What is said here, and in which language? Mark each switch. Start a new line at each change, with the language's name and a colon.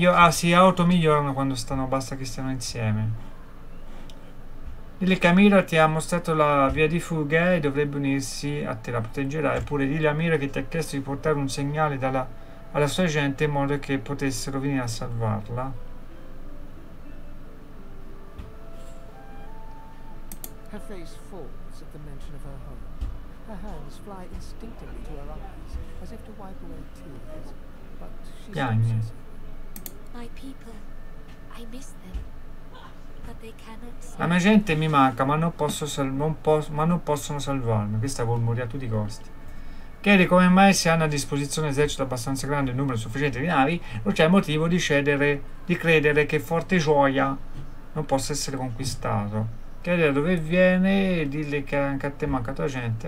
Italian: Si auto migliorano quando stanno, basta che stiano insieme. Dile che Amira ti ha mostrato la via di fuga e dovrebbe unirsi a te, la proteggerà. Eppure dile a Amira che ti ha chiesto di portare un segnale alla sua gente in modo che potessero venire a salvarla.
English: Her face falls at the mention of her home. Her hands fly instinctively to her eyes, as if to wipe away tears. But she says, my people, I miss them.
Italian: La mia gente mi manca, ma non possono salvarmi. Questa vuol morire a tutti i costi. Chiedi come mai, se hanno a disposizione esercito abbastanza grande e numero sufficiente di navi, non c'è motivo di credere che forte gioia non possa essere conquistato. Chiedi da dove viene e dille che anche a te manca tua gente.